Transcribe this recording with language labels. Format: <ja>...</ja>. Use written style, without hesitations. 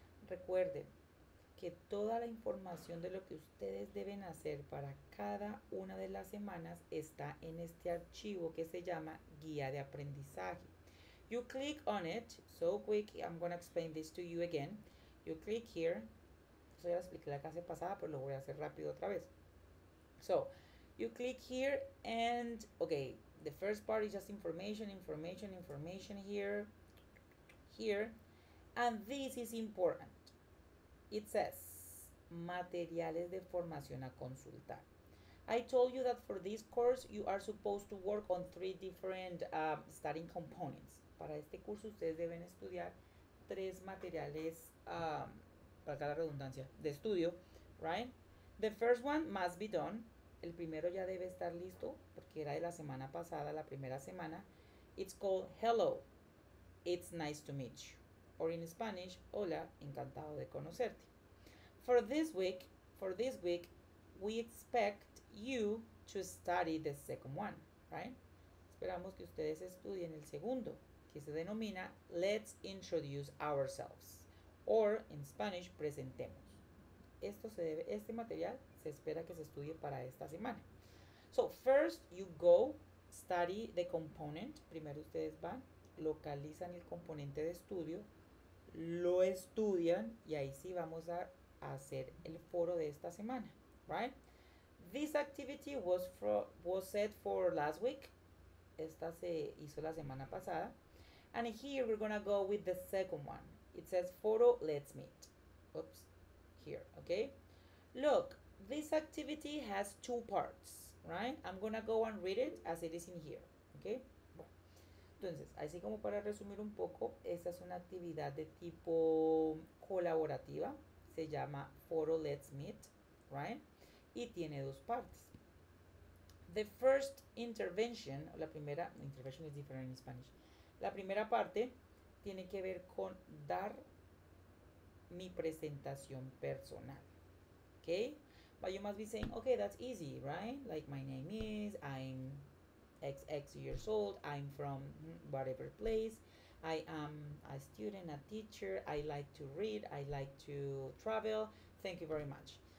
<es>Recuerden que toda la información de lo que ustedes deben hacer para cada una de las semanas está en este archivo que se llama Guía de Aprendizaje.</es> <en>You click on it, so quick, I'm going to explain this to you again. You click here.</en> <es>Ya lo expliqué la clase pasada, pero lo voy a hacer rápido otra vez.</es> <en>So, you click here and, okay, the first part is just information here, and this is important. It says,</en> <es>materiales de formación a consultar.</es> <en>I told you that for this course, you are supposed to work on three different studying components.</en> <es>Para este curso, ustedes deben estudiar tres materiales para la redundancia, de estudio, right?</es> <en>The first one must be done.</en> <es>El primero ya debe estar listo, porque era de la semana pasada, la primera semana.</es> <en>It's called Hello, It's Nice to Meet You. Or in Spanish,</en> <es>Hola, Encantado de Conocerte.</es> <en>For this week, we expect you to study the second one, right?</en> <es>Esperamos que ustedes estudien el segundo, que se denomina Let's Introduce Ourselves.</es> <en>Or, in Spanish,</en> <es>presentemos. Este material se espera que se estudie para esta semana.</es> <en>So, first, you go Study the component.</en> <es>Primero ustedes van, localizan el componente de estudio, lo estudian y ahí sí vamos a hacer el foro de esta semana, right?</es> <en>This activity was set for last week.</en> <es>Esta se hizo la semana pasada.</es> <en>And here we're gonna go with the second one. It says photo, let's meet. Oops, here, okay? Look, this activity has two parts, right? I'm gonna go and read it as it is in here, okay?</en> <es>Bueno, entonces, así como para resumir un poco, esta es una actividad de tipo colaborativa. Se llama photo, let's meet, right? Y tiene dos partes.</es> <en>The first intervention,</en> <es>la primera,</es> <en>intervention is different in Spanish.</en> <es>La primera parte tiene que ver con dar mi presentación personal, okay?</es> <en>But you must be saying, okay, that's easy, right? Like, my name is, I'm XX years old, I'm from whatever place, I am a student, a teacher, I like to read, I like to travel, thank you very much.</en>